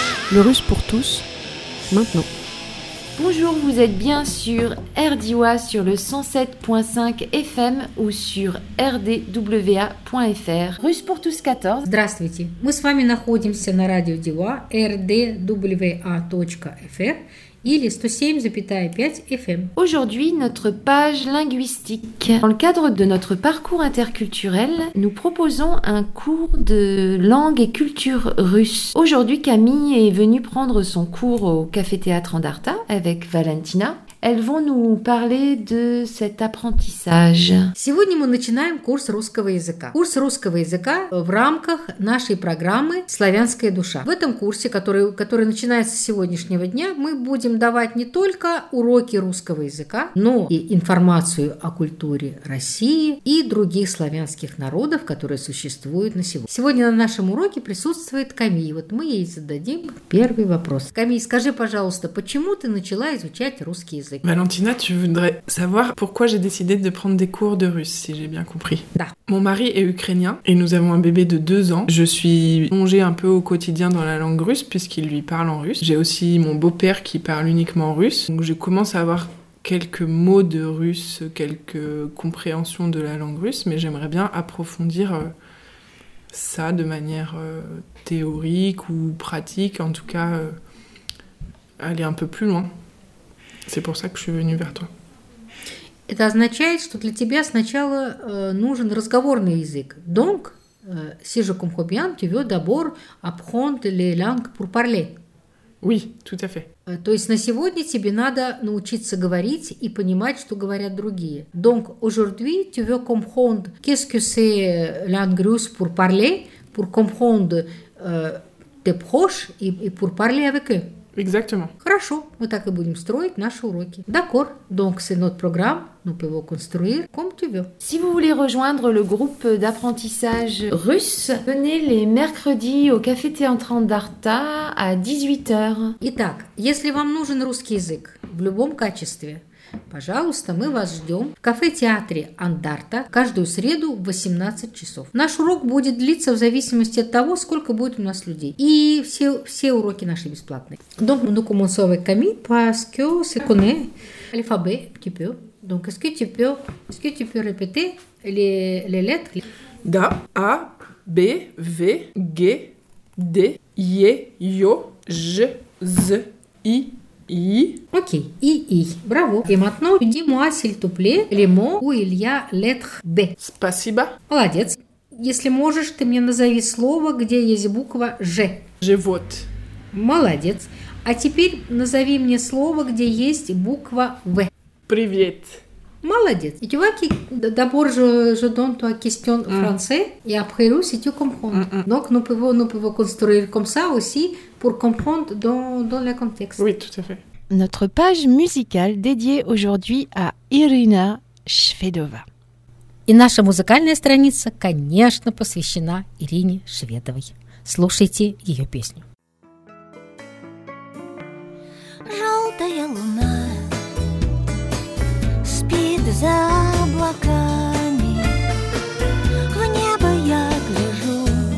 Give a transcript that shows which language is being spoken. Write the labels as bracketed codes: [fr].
[fr] Le russe pour tous, maintenant. Bonjour, vous êtes bien sur RDIWA sur le 107.5 FM ou sur rdwa.fr. Russe pour tous 14. [ru] Здравствуйте. Мы с вами находимся на радио Дива rdwa.fr или 107.5 FM. [fr] Aujourd'hui, notre page linguistique. Dans le cadre de notre parcours interculturel, nous proposons un cours de langue et culture russe. Aujourd'hui, Camille est venue prendre son cours au Café Théâtre Andarta avec Valentina. Elles vont nous parler de cet apprentissage. [ru] Сегодня мы начинаем курс русского языка. Курс русского языка в рамках нашей программы «Славянская душа». В этом курсе, который начинается с сегодняшнего дня, мы будем давать не только уроки русского языка, но и информацию о культуре России и других славянских народов, которые существуют на сегодня. Сегодня на нашем уроке присутствует Камиль. Вот мы ей зададим первый вопрос. Камиль, скажи, пожалуйста, почему ты начала изучать русский язык? [fr] Valentina, tu voudrais savoir pourquoi j'ai décidé de prendre des cours de russe, si j'ai bien compris. Mon mari est ukrainien et nous avons un bébé de 2 ans. Je suis plongée un peu au quotidien dans la langue russe puisqu'il lui parle en russe. J'ai aussi mon beau-père qui parle uniquement russe. Donc je commence à avoir quelques mots de russe, quelques compréhensions de la langue russe, mais j'aimerais bien approfondir ça de manière théorique ou pratique, en tout cas aller un peu plus loin. C'est pour ça que je suis venue vers toi. [ru] Это означает, что для тебя сначала нужен разговорный язык. [fr] Donc, si je comprends bien, tu veux d'abord apprendre les langues pour parler. Oui, tout à fait. [ru] То есть на сегодня тебе надо научиться говорить и понимать, что говорят другие. [fr] Donc, aujourd'hui, tu veux comprendre qu'est-ce que c'est langue russe pour parler, pour comprendre tes proches et pour parler avec eux. Exactement. [ru] Хорошо, мы так и будем строить наши уроки. [fr] D'accord, donc c'est notre programme, nous pouvons construire comme tu veux. Si vous voulez rejoindre le groupe d'apprentissage russe, venez les mercredis au Café Théâtre Andarta à 18h. [ru] Итак, если вам нужен русский язык в любом качестве, пожалуйста, мы вас ждем в кафе-театре «Андарта» каждую среду в 18 часов. Наш урок будет длиться в зависимости от того, сколько будет у нас людей. И все уроки наши бесплатные. [fr] Donc, nous commençons avec Camille, parce que c'est connu l'alphabet un petit peu. Donc, est-ce que tu peux répéter les lettres? [ru] Да. A, B, V, G, D, Y, O, J, Z, I. И. Окей. И. Браво. [fr] И maintenant, dis moi s'il te plaît, les mots où il y a lettre B. [ru] Спасибо. Молодец. Если можешь, ты мне назови слово, где есть буква Ж. Живот. Молодец. А теперь назови мне слово, где есть буква В. Привет. Молодец. [fr] Et tu vois que d'abord je donne toi question en français et après russe tu comprends. Donc nous pouvons construire comme ça aussi pour comprendre dans le contexte. Oui, tout à fait. Notre page musicale dédiée aujourd'hui à Ирина Шведова. [ru] И наша музыкальная страница, конечно, посвящена Ирине Шведовой. Слушайте ее песню. Желтая луна спит за облаками, в небо я гляжу,